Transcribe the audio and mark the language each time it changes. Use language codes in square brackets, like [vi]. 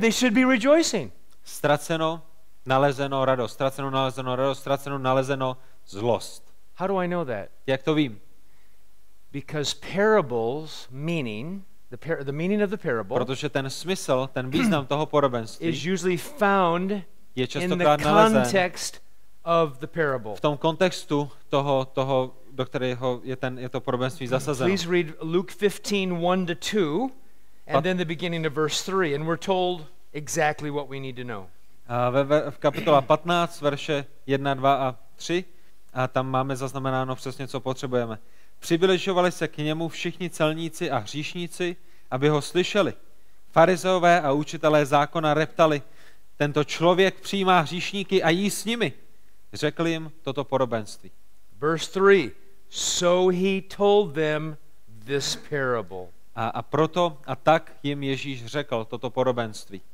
[en] They should be rejoicing. [cs] Ztraceno, nalezeno radost, ztraceno nalezeno radost, ztraceno nalezeno zlost. [en] How do I know that? [cs] Jak to vím? [en] Because parables meaning the meaning of the parable. [cs] Protože ten smysl, ten význam toho podobenství [en] is usually found [cs] je častokrát nalezen [en] in the context of the parable. [cs] V tom kontextu toho do kterého je to podobenství zasazeno. [en] Please read Luke 15:1-2 and then the beginning of verse 3 and we're told exactly what we need to know. [cs] V kapitola 15, verše 1, 2 a 3, a tam máme zaznamenáno přesně, co potřebujeme. Přibližovali se k němu všichni celníci a hříšníci, aby ho slyšeli. Farizeové a učitelé zákona reptali, tento člověk přijímá hříšníky a jí s nimi. Řekl jim toto podobenství. [en] Verse 3. So he told them this parable. [cs] A proto a tak jim Ježíš řekl toto podobenství.